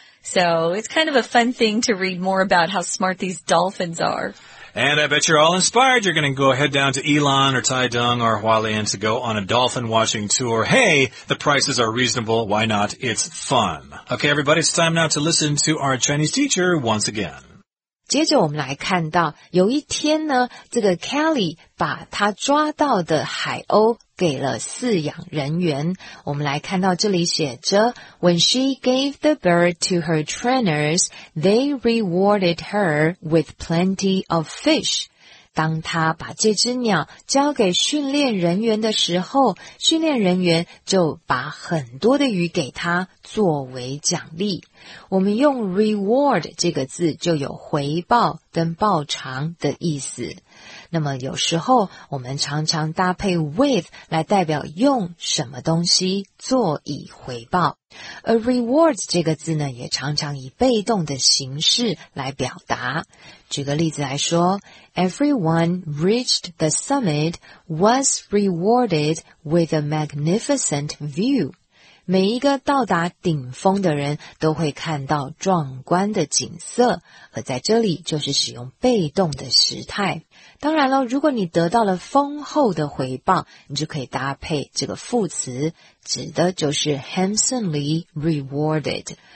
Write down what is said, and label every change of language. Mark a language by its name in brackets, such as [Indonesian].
[English] So it's kind of a fun thing to read more about how smart these dolphins are. And I bet you're all inspired. You're going to go head down to Elon or Tai Dung or Hua Lian to go on a dolphin watching tour. Hey, the prices are reasonable. Why not? It's fun. Okay, everybody, it's time now to listen to our Chinese teacher once again. [Chinese] 接着我们来看到，有一天呢，这个 Kelly 把他抓到的海鸥给了饲养人员。我们来看到这里写着 [English] ,When she gave the bird to her trainers, they rewarded her with plenty of fish. [Chinese] 当他把这只鸟交给训练人员的时候，训练人员就把很多的鱼给他作为奖励。我们用 reward 这个字就有回报跟报偿的意思。那么有时候我们常常搭配 with 来代表用什么东西做以回报。而 rewards 这个字呢，也常常以被动的形式来表达。举个例子来说 [English] ,everyone reached the summit was rewarded with a magnificent view. [Chinese] 每一个到达顶峰的人都会看到壮观的景色，而在这里就是使用被动的时态。当然了，如果你得到了丰厚的回报，你就可以搭配这个副词，指的就是 [English] handsomely rewarded。